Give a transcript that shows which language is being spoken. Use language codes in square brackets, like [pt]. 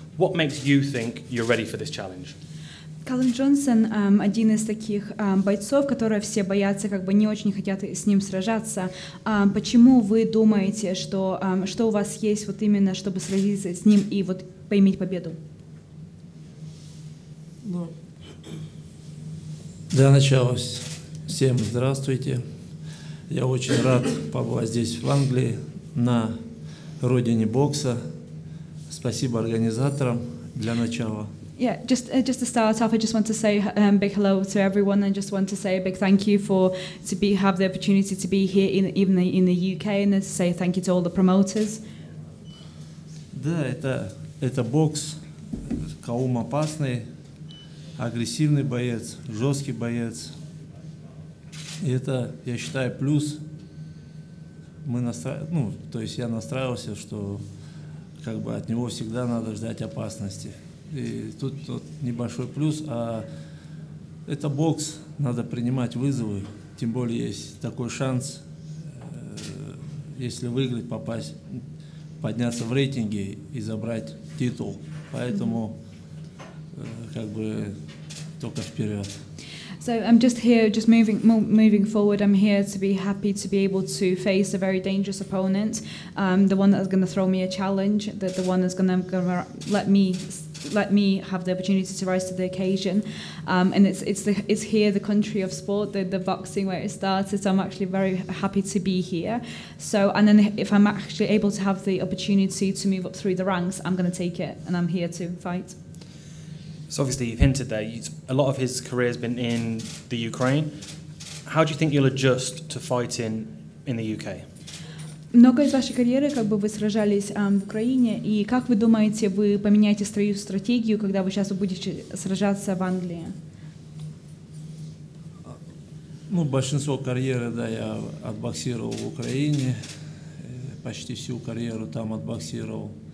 [en] What makes you think you're ready for this challenge? [ru] Callum Johnson один из таких бойцов, которые все боятся, как бы не очень хотят с ним сражаться. Почему вы думаете, что что у вас есть вот именно, чтобы сразиться с ним и вот поиметь победу? Ну, для начала всем здравствуйте. Я очень рад побывать здесь, в Англии, на родине бокса. Спасибо организаторам для начала. [en] Yeah, just to start off, I just want to say big hello to everyone, and just want to say a big thank you for have the opportunity to be here in the UK, and to say thank you to all the promoters. [ru] Да, это бокс, Каум опасный, агрессивный боец, жесткий боец. И это, я считаю, плюс. Мы я настраивался, что как бы от него всегда надо ждать опасности. И тут вот небольшой плюс, а это бокс, надо принимать вызовы, тем более есть такой шанс, если выиграть, попасть, подняться в рейтинге и забрать титул. Поэтому как бы только вперед. [en] So I'm just here, just moving forward. I'm here to be happy to be able to face a very dangerous opponent, the one that's going to throw me a challenge, the one that's going to let me have the opportunity to rise to the occasion. And it's here, the country of sport, the boxing where it started. So I'm actually very happy to be here. So, and then if I'm actually able to have the opportunity to move up through the ranks, I'm going to take it, and I'm here to fight. So obviously you've hinted there, a lot of his career has been in the Ukraine. How do you think you'll adjust to fighting in the UK? [ru] Много из вашей карьеры, как бы вы сражались в Украине, и как вы думаете, вы поменяете свою стратегию, когда вы сейчас будете сражаться в Англии? Ну, большинство карьеры, да, я отбоксировал в Украине, почти всю карьеру там отбоксировал.